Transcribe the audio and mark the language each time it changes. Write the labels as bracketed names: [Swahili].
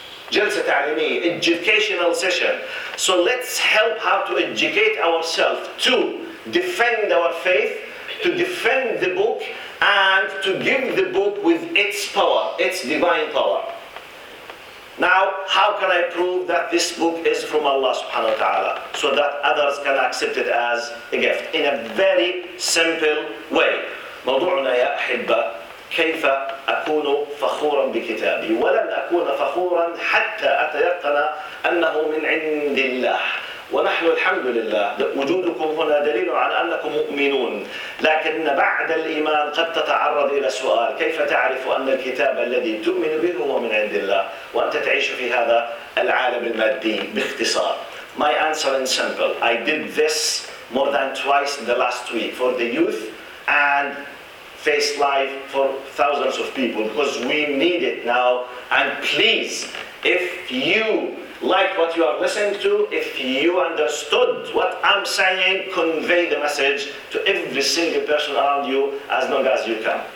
[English] Jalsa ta'limi, educational session. So let's help how to educate ourselves to defend our faith, to defend the book, and to give the book with its power, its divine power. Now, how can I prove that this book is from Allah subhanahu wa ta'ala so that others can accept it as a gift? In a very simple way. [Arabic] موضوعنا يا أحبة كيف أكون فخورا بكتابي ولن أكون فخورا حتى أتيقن أنه من عند الله ونحن الحمد لله وجودكم هنا دليل على أنكم مؤمنون لكن بعد الإيمان قد تتعرض إلى سؤال كيف تعرف أن الكتاب الذي تؤمن به هو من عند الله وأنت تعيش في هذا العالم المادي باختصار. [English] My answer is simple. I did this more than twice in the last week for the youth and face life for thousands of people because we need it now. And please, if you like what you are listening to, if you understood what I'm saying, convey the message to every single person around you as long as you can.